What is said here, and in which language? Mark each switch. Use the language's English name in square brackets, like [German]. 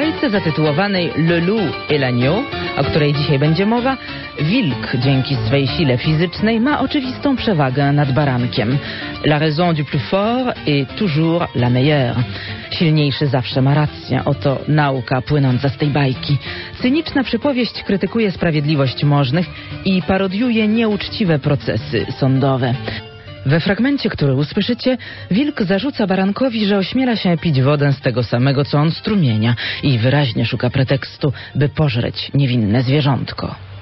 [Polish] Zatytułowanej Le Loup et l'Agneau, o której dzisiaj będzie mowa, wilk dzięki swej sile fizycznej ma oczywistą przewagę nad barankiem. [French] La raison du plus fort est toujours la meilleure. [Polish] Silniejszy zawsze ma rację, oto nauka płynąca z tej bajki. Cyniczna przypowieść krytykuje sprawiedliwość możnych i parodiuje nieuczciwe procesy sądowe. We fragmencie, który usłyszycie, wilk zarzuca barankowi, że ośmiela się pić wodę z tego samego, co on strumienia i wyraźnie szuka pretekstu, by pożreć niewinne zwierzątko.